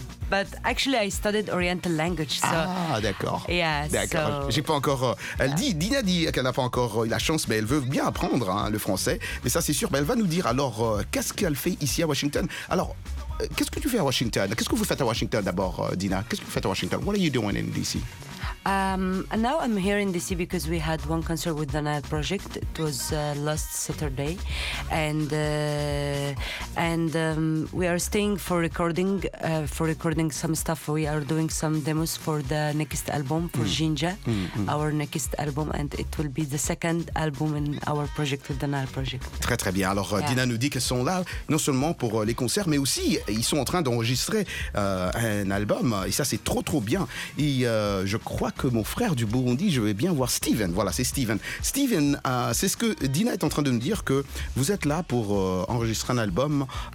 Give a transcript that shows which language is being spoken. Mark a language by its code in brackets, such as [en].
[en] But actually, I studied oriental language. So. [fr] Ah, d'accord. [en] Yeah, [fr] d'accord. [en] So... [fr] J'ai pas encore... Dina dit qu'elle n'a pas encore la chance, mais elle veut bien apprendre. Hein, le français, mais ça c'est sûr. Ben, elle va nous dire alors qu'est-ce qu'elle fait ici à Washington. Alors, qu'est-ce que tu fais à Washington? Qu'est-ce que vous faites à Washington d'abord, Dina? Qu'est-ce que vous faites à Washington? [en] What are you doing in DC? Now I'm here in DC because we had one concert with the Nile Project. It was last Saturday, and we are staying for recording some stuff. We are doing some demos for the next album for Jinja, our next album, and it will be the second album in our project with the Nile Project. [fr] Très très bien. Alors yeah. Dina nous dit qu'elles sont là non seulement pour les concerts, mais aussi ils sont en train d'enregistrer un album. Et ça c'est trop trop bien. Et je crois que mon frère du Burundi, je vais bien voir Steven. Voilà, c'est Steven. Steven, c'est ce que Dina est en train de me dire, que vous êtes là pour enregistrer un album.